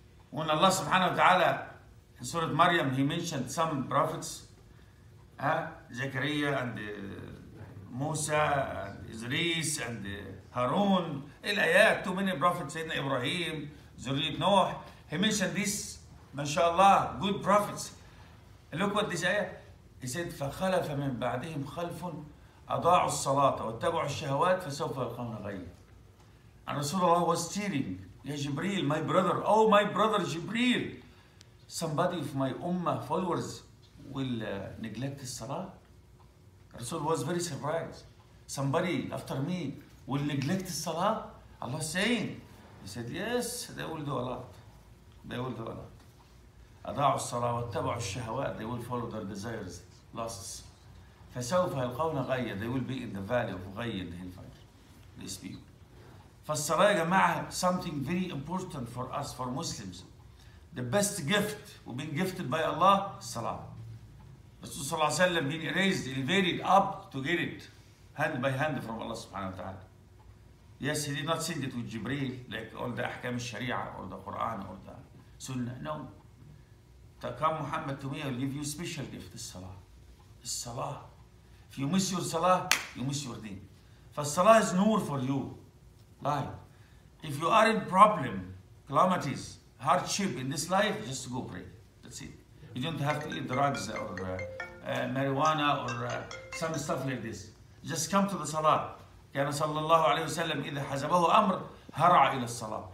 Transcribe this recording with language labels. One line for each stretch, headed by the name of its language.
English: When Allah subhanahu wa ta'ala, in Surah Maryam, he mentioned some prophets, Zakaria and Musa, and Idris and Harun, Ilayat, too many prophets, Sayyidina Ibrahim, Zuriyat Noah. He mentioned these, mashallah, good prophets. Look what this ayah.
Arabic: He said, فخلف من بعدهم خلف أضاعوا الصلاة واتبعوا الشهوات فسوف يلقون غيا.
English: And Rasulullah was tearing. Ya Jibreel, my brother. Oh, my brother Jibreel. Somebody of my ummah, followers, will neglect the salah. Rasul was very surprised. Somebody after me will neglect the salah. Allah is saying. He said, yes, they will do a lot. They will do a lot.
Arabic: أضاعوا الصلاة واتبعوا الشهوات.
English: They will follow their desires, lusts.
Arabic: فسوف يلقون غيا.
English: They will be in the valley of غيا, the hellfire. They speak.
Arabic: فالصلاة يا جماعة
English: something very important for us, for Muslims. The best gift we've been gifted by Allah, الصلاة. رسول صلى الله عليه وسلم being raised, elevated up to get it hand by hand from Allah سبحانه وتعالى. Yes, he did not send it with Jibreel like all the أحكام الشريعة or the Quran or the Sunnah. No. Come Muhammad to me, I'll give you a special gift, the Salah. The Salah. If you miss your Salah, you miss your deen. For Salah is nur for you. Life. If you are in problem, calamities, hardship in this life, just go pray. That's it. You don't have to eat drugs or marijuana or some stuff like this. Just come to the Salah.
Arabic: كان صلى الله عليه وسلم إذا حزبه أمر هرع إلى الصلاة.